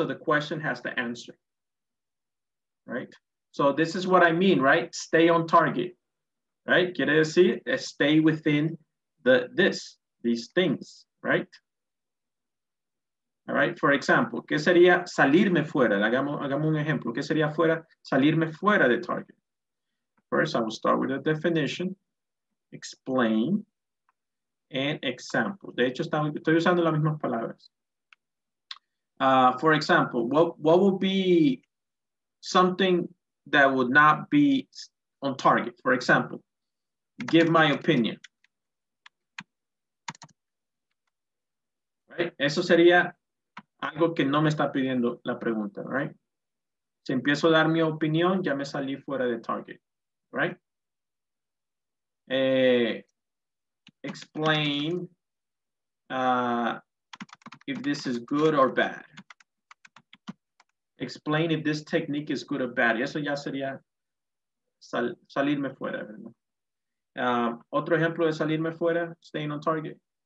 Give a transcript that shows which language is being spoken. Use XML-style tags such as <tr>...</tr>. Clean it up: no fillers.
<en>So the question has the answer. Right? So this is what I mean, right? Stay on target. Right?</en> <es>Quiere decir,</es> <en>stay within these things, right? All right, for example,</en> <es>¿qué sería salirme fuera? Hagamos un ejemplo. ¿Qué sería fuera, salirme fuera de target?</es> <en>First, I will start with a definition, explain, and example.</en> <es>De hecho, estoy usando las mismas palabras.</es> <en>For example, what would be something that would not be on target? For example, give my opinion, right?</en> <es>Eso sería algo que no me está pidiendo la pregunta, right? Si empiezo a dar mi opinión, ya me salí fuera de target, right?</es> <en>Explain if this is good or bad. Explain if this technique is good or bad.</en> <es>Eso ya sería salirme fuera, ¿verdad? Otro ejemplo de salirme fuera,</es> <en>staying on target.</en>